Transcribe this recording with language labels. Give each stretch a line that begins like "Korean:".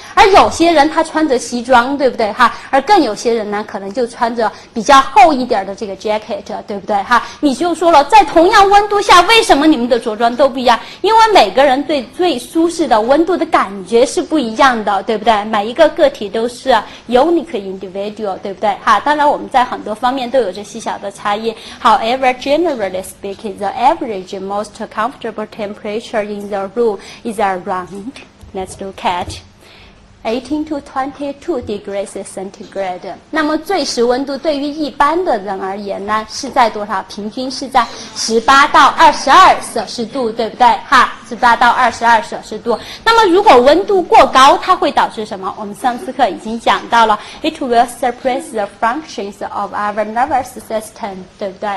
Chinese: 而有些人他穿着西装，对不对？哈，而更有些人呢，可能就穿着比较厚一点的这个 jacket， 对不对？哈，你就说了，在同样温度下，为什么你们的着装都不一样？因为每个人对最舒适的温度的感觉是不一样的，对不对？每一个个体都是 unique individual。对不对？哈，当然我们在很多方面都有着细小的差异。
English: However, generally speaking, the average most comfortable temperature in the room is around, let's look at, 18 to 22 degrees centigrade.
Chinese: 那么最实温度对于一般的人而言呢，是在多少？平均是在18到22摄氏度，对不对？哈，18到22摄氏度。那么如果温度过高，它会导致什么？我们上次课已经讲到了 ， it will suppress the functions of our nervous system，对不对？